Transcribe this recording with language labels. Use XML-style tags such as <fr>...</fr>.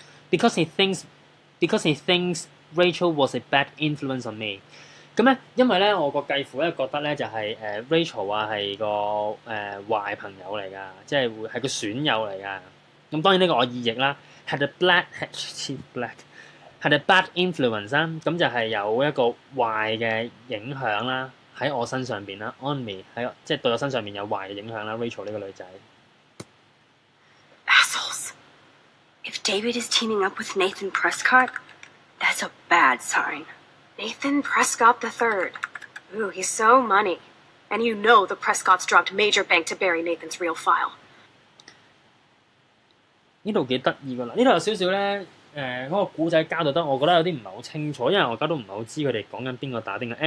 <en>Because he thinks Rachel was a bad influence on me.</en> <yue>咁咧，因為咧，我個繼父咧覺得咧就係Rachel 啊係個壞朋友嚟噶，即係會係個損友嚟噶。咁當然呢個我意譯啦 ，</yue> <en>had a bad influence</en> <yue>啦，咁就係有一個壞嘅影響啦喺我身上邊啦 ，</yue> <en>on me</en> <yue>喺即係對我身上邊有壞嘅影響啦 ，Rachel 呢個女仔。</yue> <en>If David is teaming up with Nathan Prescott, that's a bad sign. Nathan Prescott III. Ooh, he's so money. And you know the Prescotts dropped major bank to bury Nathan's real file.</en> <yue>呢度幾得意噶啦！呢度有少少咧，嗰個故仔交代得，我覺得有啲唔係好清楚，因為我而家都唔係好知佢哋講緊邊個打邊個。</yue>